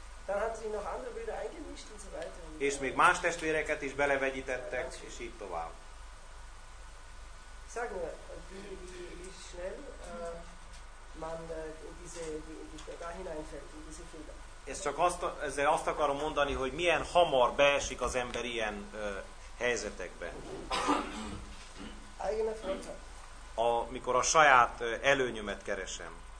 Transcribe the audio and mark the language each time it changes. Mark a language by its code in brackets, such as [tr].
[de] Dann hat sie noch andere Brüder eingemischt und so weiter. [hu] És még más testvéreket is belevegyítettek, és így tovább. [de] Sag mir, wie schnell man da hineinfällt, in diese Fehler. [hu] Ez csak azt, ezzel azt akarom mondani, hogy milyen hamar beesik az ember ilyen helyzetekbe. Amikor a saját előnyömet keresem.